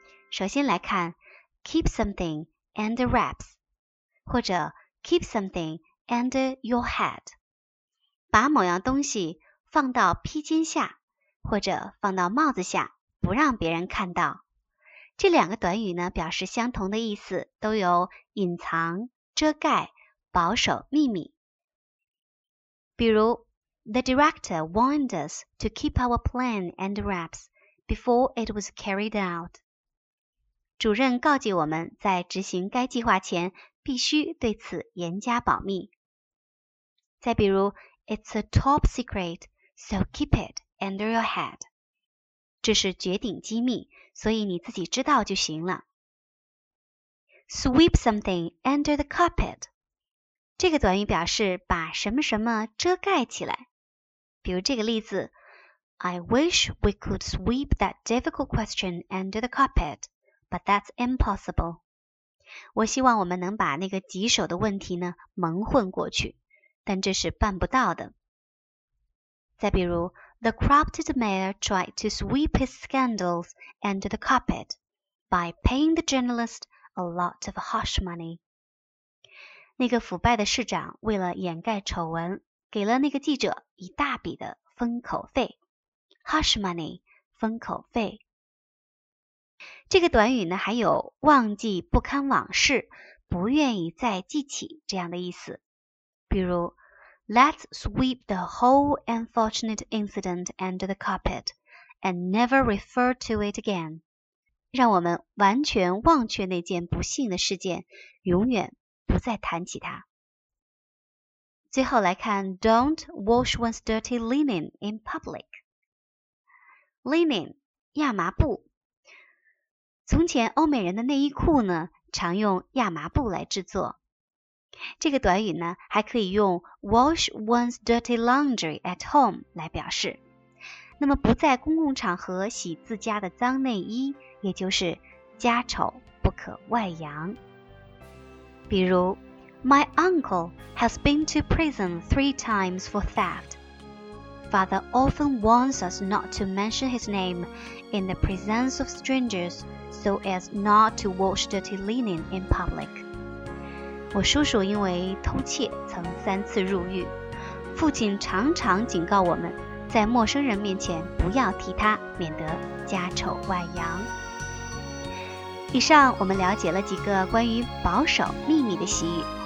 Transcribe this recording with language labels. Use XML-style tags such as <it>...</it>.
<zh>首先来看</zh> <en>keep something under wraps，</en> <zh>或者</zh> <en>keep something under your hat，</en> <zh>把某样东西放到披肩下，或者放到帽子下，不让别人看到。这两个短语呢，表示相同的意思，都有隐藏、遮盖、保守秘密。比如</zh> <en>The director warned us to keep our plan under wraps before it was carried out。</en> <zh>主任告诫我们在执行该计划前必须对此严加保密。再比如</zh> <en>It's a top secret, so keep it under your hat。</en> <zh>这是绝顶机密，所以你自己知道就行了。</zh> <en>Sweep something under the carpet，</en> <zh>这个短语表示把什么什么遮盖起来。比如这个例子，</zh> <en>I wish we could sweep that difficult question under the carpet, but that's impossible。</en> <zh>我希望我们能把那个棘手的问题呢蒙混过去，但这是办不到的。再比如</zh> <en>The corrupted mayor tried to sweep his scandals under the carpet by paying the journalist a lot of hush money。</en> <zh>那个腐败的市长为了掩盖丑闻，给了那个记者一大笔的封口费。</zh> <en>Hush money，</en> <zh>封口费。这个短语呢，还有忘记不堪往事，不愿意再记起这样的意思。比如</zh> <en>Let's sweep the whole unfortunate incident under the carpet and never refer to it again.</en> <zh>让我们完全忘却那件不幸的事件，永远不再谈起它。最后来看</zh> <en>Don't wash one's dirty linen in public. Linen,</en> <zh>亚麻布。从前欧美人的内衣裤呢，常用亚麻布来制作。这个短语呢，还可以用</zh> <en>wash one's dirty laundry at home</en> <zh>来表示。那么不在公共场合洗自家的脏内衣，也就是家丑不可外扬。比如</zh> <en>My uncle has been to prison 3 times for theft. Father often warns us not to mention his name in the presence of strangers so as not to wash dirty linen in public.</en> <zh>我叔叔因为偷窃曾3次入狱，父亲常常警告我们在陌生人面前不要提他，免得家丑外扬。以上我们了解了几个关于保守秘密的习语。</zh>